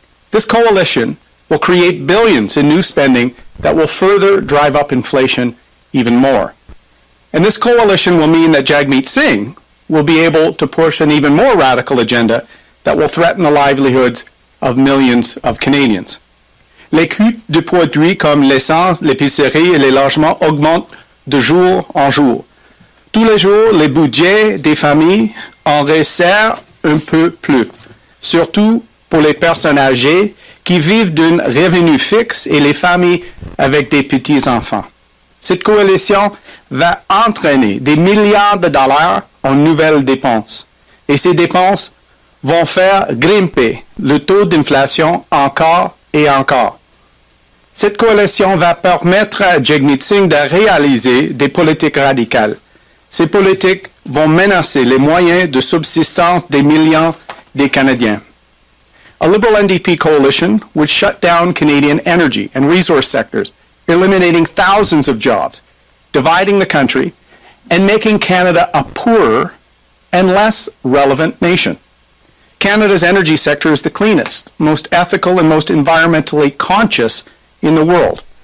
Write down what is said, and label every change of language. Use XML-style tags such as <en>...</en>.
<en>This coalition will create billions in new spending that will further drive up inflation even more. And this coalition will mean that Jagmeet Singh will be able to push an even more radical agenda that will threaten the livelihoods of millions of Canadians.</en> <fr>Les coûts de produits comme l'essence, l'épicerie et les logements augmentent de jour en jour. Tous les jours, les budgets des familles en resserrent un peu plus, surtout pour les personnes âgées qui vivent d'un revenu fixe et les familles avec des petits-enfants. Cette coalition va entraîner des milliards de dollars en nouvelles dépenses. Et ces dépenses vont faire grimper le taux d'inflation encore et encore. Cette coalition va permettre à Jagmeet Singh de réaliser des politiques radicales. Ces politiques vont menacer les moyens de subsistance des millions des Canadiens.</fr> <en>A Liberal NDP coalition would shut down Canadian energy and resource sectors, eliminating thousands of jobs, dividing the country, and making Canada a poorer and less relevant nation. Canada's energy sector is the cleanest, most ethical, and most environmentally conscious in the world.</en>